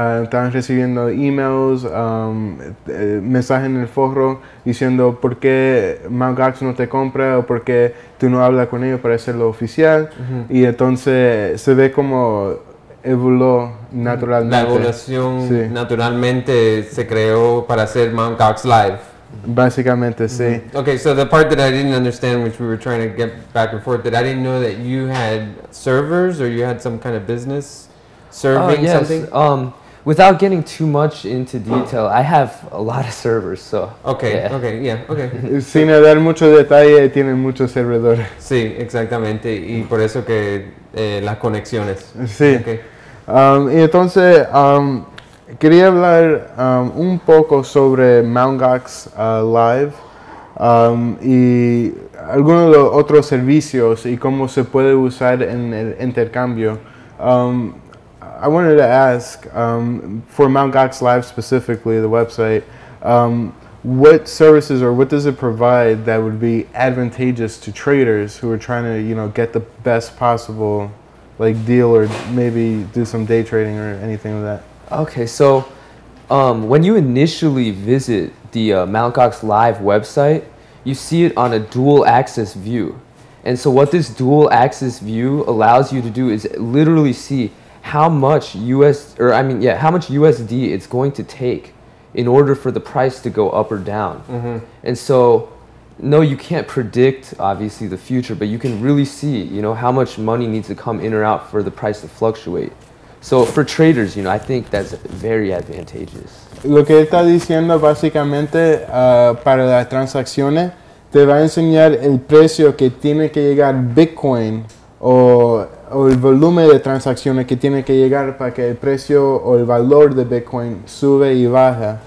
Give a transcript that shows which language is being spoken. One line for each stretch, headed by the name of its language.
Spanish: Estaban recibiendo emails, mensajes en el foro diciendo por qué Mt. Gox no te compra o por qué tú no hablas con ellos para hacerlo oficial. Uh-huh. Y entonces se ve como evolucionó naturalmente. La evolución naturalmente se creó para hacer Mt. Gox Live. Básicamente, sí. Mm-hmm.
English: Okay, so the part that I didn't understand, which we were trying to get back and forth, that I didn't know that you had servers or you had some kind of business serving something? Yes, without getting too much into detail, I have a lot of servers, so... Okay.
Spanish: Sin dar mucho detalle, tiene muchos servidores. Sí, exactamente, y por eso que las conexiones. Sí.
English: Okay.
Spanish: Y entonces... quería hablar un poco sobre Mt. Gox Live y algunos de los otros servicios y cómo se puede usar en el intercambio.
English: I wanted to ask, for Mt. Gox Live specifically, the website, what services or what does it provide that would be advantageous to traders who are trying to, you know, get the best possible like deal or maybe do some day trading or anything like that? Okay, so when you initially visit the Mt. Gox Live website, you see it on a dual axis view. And so what this dual axis view allows you to do is literally see how much USD it's going to take in order for the price to go up or down. Mm-hmm. And so no, you can't predict, obviously, the future, but you can really see, you know, how much money needs to come in or out for the price to fluctuate. So for traders, you know, I think that's very advantageous.
Spanish: Lo que está diciendo básicamente para las transacciones, te va a enseñar el precio que tiene que llegar Bitcoin o el volumen de transacciones que tiene que llegar para que el precio o el valor de Bitcoin sube y baja.